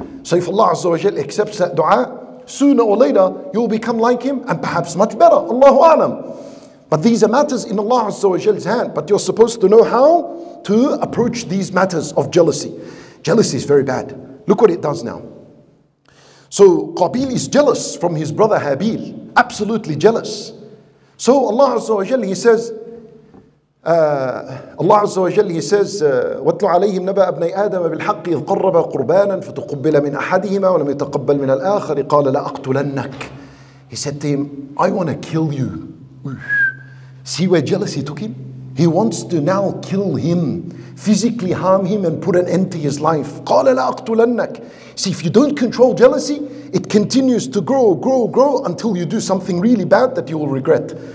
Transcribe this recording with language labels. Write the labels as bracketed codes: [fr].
[en] So if Allah Azza wa Jal accepts that dua, sooner or later, you'll become like him and perhaps much better. Allahu A'lam. But these are matters in Allah Azza wa Jal's hand. But you're supposed to know how to approach these matters of jealousy. Jealousy is very bad. Look what it does now. So Qabil is jealous from his brother Habil. Absolutely jealous. So Allah Azza wa Jal, he says, [ar] وَاتْلُ عَلَيْهِمْ نَبَأَ أَبْنَيْ آدَمَ بِالْحَقِّ إِذْ قَرَّبَ قُرْبَانًا فَتُقُبِّلَ مِنْ أَحَدِهِمَا وَلَمْ يَتَقَبَّلْ مِنَ الْآخَرِ قَالَ لَأَقْتُلَنَّكَ [en] He said to him, I want to kill you. See where jealousy took him? He wants to now kill him, physically harm him and put an end to his life. [ar] قَالَ لَأَقْتُلَنَّكَ [en] See, if you don't control jealousy, it continues to grow until you do something really bad that you will regret.